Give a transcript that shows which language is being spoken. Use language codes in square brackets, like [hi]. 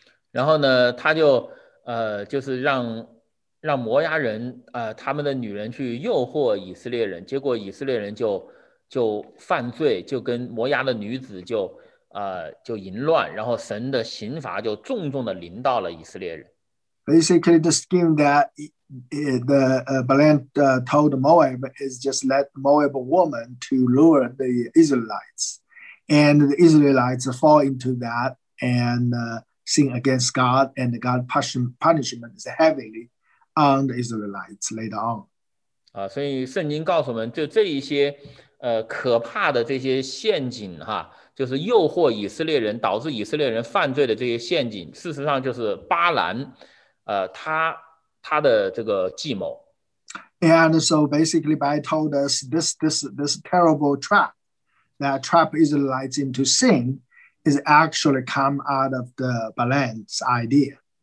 [zh] 然后呢，他就就是让摩押人他们的女人去诱惑以色列人，结果以色列人就犯罪，就跟摩押的女子就淫乱，然后神的刑罚就重重的临到了以色列人。 [en] Basically, the scheme that Balan told Moab is just let Moab woman to lure the Israelites, and the Israelites fall into that and sin against God, and God punishment is heavily on the Israelites later on. [zh] 所以圣经告诉我们，就这一些可怕的这些陷阱哈。就是诱惑以色列人，导致以色列人犯罪的这些陷阱，事实上就是巴兰，他的这个计谋。 [en] And so basically, Balaam told us this terrible trap that trap Israelites into sin is actually come out of the Balaam's idea.